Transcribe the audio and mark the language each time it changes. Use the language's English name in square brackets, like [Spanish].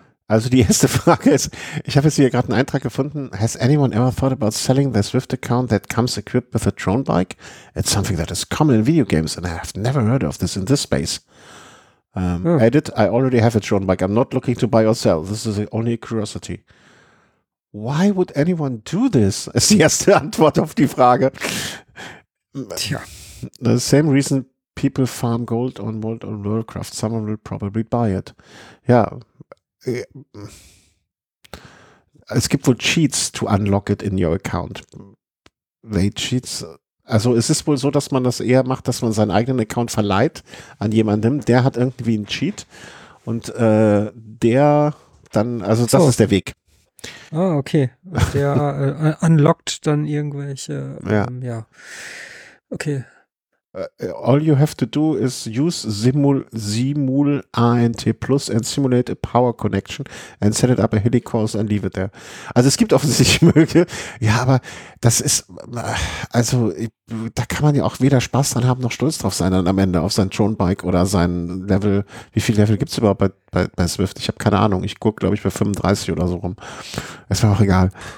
[German] Also, die erste Frage ist: Ich habe jetzt hier gerade einen Eintrag gefunden. [English] Has anyone ever thought about selling the Swift account that comes equipped with a drone bike? It's something that is common in video games and I have never heard of this in this space. Edit, I already have a drone bike. I'm not looking to buy or sell. This is only a curiosity. Why would anyone do this? [German] Ist die erste Antwort auf die Frage. Tja. [English] The same reason people farm gold on World of Warcraft. Someone will probably buy it. [German] Ja. Es gibt wohl Cheats [English] to unlock it in your account. They cheats. [German] Also es ist wohl so, dass man das eher macht, dass man seinen eigenen Account verleiht an jemanden, der hat irgendwie einen Cheat und der dann, also das ist der Weg. Ah, okay. Der unlockt dann irgendwelche, ja. Okay. [English] All you have to do is use Simul ANT Plus and simulate a power connection and set it up a helicoise and leave it there. [German] Also es gibt offensichtlich Möglichkeiten. Ja, aber das ist, also da kann man ja auch weder Spaß dran haben noch stolz drauf sein dann am Ende auf sein Drone Bike oder sein Level. Wie viele Level gibt es überhaupt bei Swift? Ich habe keine Ahnung. Ich gucke, glaube ich, bei 35 oder so rum. Ist mir auch egal.